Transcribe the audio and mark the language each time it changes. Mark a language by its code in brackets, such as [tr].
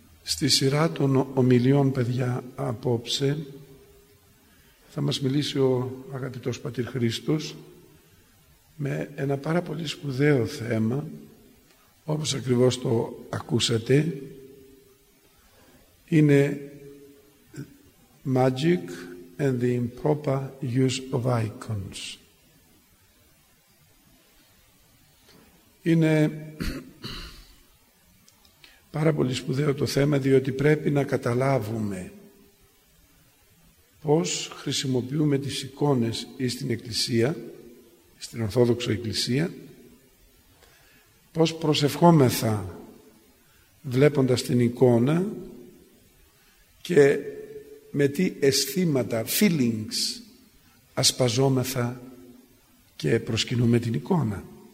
[el] Στη σειρά των ομιλιών, παιδιά, απόψε θα μας μιλήσει ο αγαπητός πατήρ Χρήστος με ένα πάρα πολύ σπουδαίο θέμα, όπως ακριβώς το ακούσατε. Είναι [en] Magic and the Improper Use of Icons. [el] Είναι πάρα πολύ σπουδαίο το θέμα, διότι πρέπει να καταλάβουμε πώς χρησιμοποιούμε τις εικόνες στην Εκκλησία, στην Ορθόδοξη Εκκλησία, πώς προσευχόμεθα βλέποντας την εικόνα και με τι αισθήματα, feelings, ασπαζόμεθα και προσκυνούμε την εικόνα.